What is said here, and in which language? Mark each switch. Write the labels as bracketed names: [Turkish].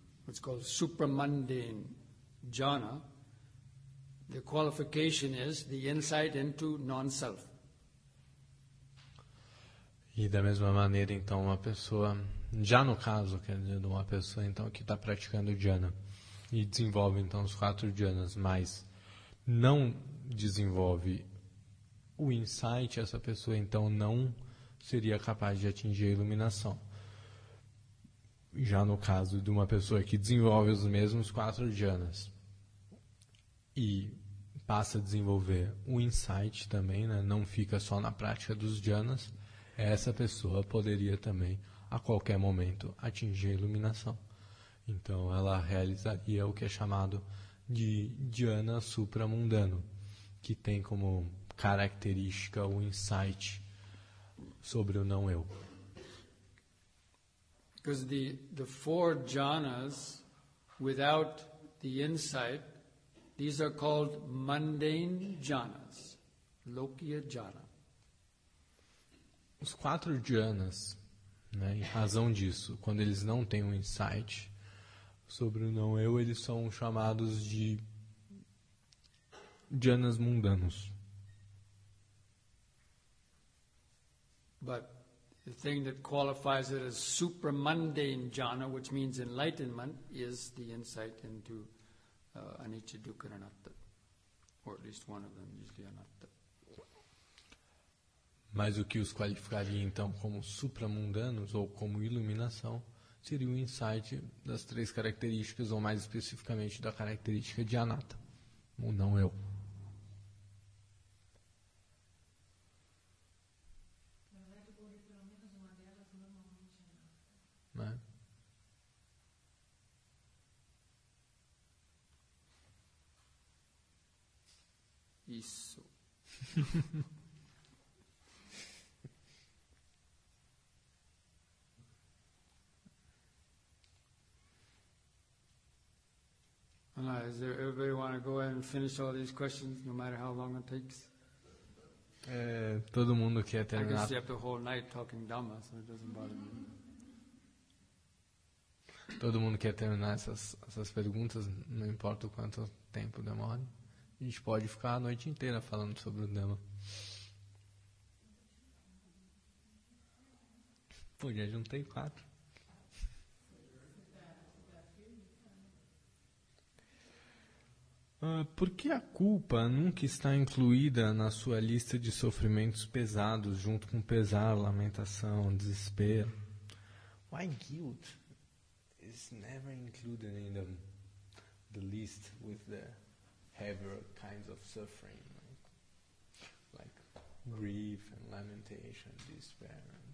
[English] What's called supramundane jhana. The qualification is the insight into non-self. [Portuguese] E da mesma maneira, então, uma pessoa, já no caso, quer dizer, uma pessoa então que está praticando jhana e desenvolve então os quatro jhanas, mas não desenvolve o insight, essa pessoa então não seria capaz de atingir a iluminação. Já no caso de uma pessoa que desenvolve os mesmos quatro jhanas e passa a desenvolver o insight também, né? Não fica só na prática dos jhanas, essa pessoa poderia também a qualquer momento atingir a iluminação. Então ela realizaria o que é chamado de jhana supramundano, que tem como característica o insight sobre o não eu. [English] Because the four jhanas without the insight, these are called mundane jhanas, lokiya jhana. [Portuguese] Os quatro jhanas, né, em razão disso, quando eles não têm um insight sobre o não eu, eles são chamados de jhanas mundanos. [English] But the thing that qualifies it as super mundane jhana, which means enlightenment, is the insight into anicca, dukkha, anatta, or at least one of them, usually anatta. [Portuguese] Mas o que os qualificaria então como supramundanos ou como iluminação seria o insight das três características, ou mais especificamente da característica de anatta, o não eu. Isso. [English] All right, is there everybody want to go ahead and finish all these questions, no matter how long it takes? [Portuguese] Todo mundo quer terminar. [English] I guess you have the whole night talking Dhamma, so it doesn't bother me. [Portuguese] Todo mundo quer terminar essas perguntas, não importa o quanto tempo demore. A gente pode ficar a noite inteira falando sobre o Dhamma. Pô, já juntei quatro. Por que a culpa nunca está incluída na sua lista de sofrimentos pesados, junto com pesar, lamentação, desespero? [English] Why guilt is never included in the list with the heavier kinds of suffering, like grief and lamentation, despair?